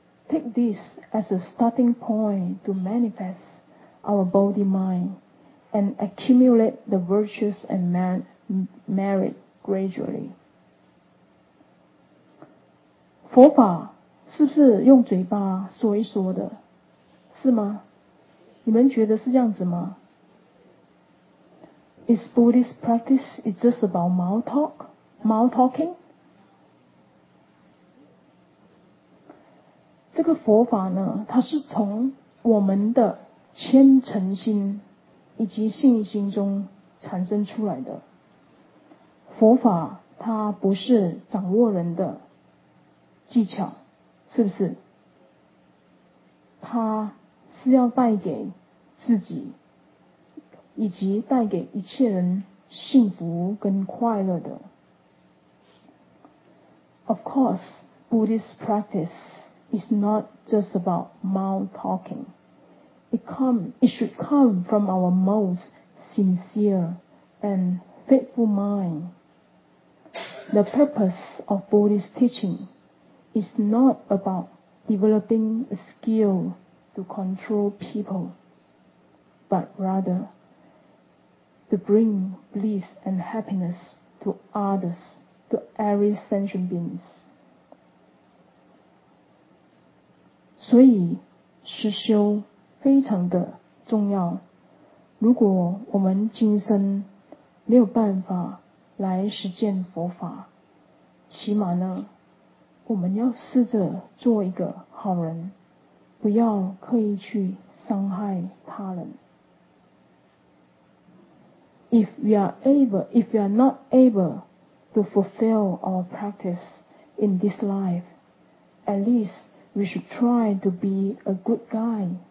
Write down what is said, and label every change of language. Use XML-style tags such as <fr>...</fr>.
<en>Take this as a starting point to manifest our body mind and accumulate the virtues and merit gradually.</en> <zh>佛法是不是用嘴巴说一说的？是吗？你们觉得是这样子吗？</zh> <en>Is Buddhist practice is just about mouth talk? Mouth talking?</en> <zh>这个佛法呢，它是从我们的虔诚心以及信心中产生出来的。佛法它不是掌握人的技巧，是不是？他是要带给自己以及带给一切人幸福跟快乐的。</zh> <en>Of course, Buddhist practice is not just about mouth talking. It should come from our most sincere and faithful mind. The purpose of Buddhist teachingIt's not about developing a skill to control people, but rather to bring bliss and happiness to others, to every sentient beings.</en> <zh>所以实修非常的重要。如果我们今生没有办法来实践佛法，起码呢我们要试着做一个好人，不要刻意去伤害他人。</zh> <en>If we are not able to fulfill our practice in this life, at least we should try to be a good guy</en>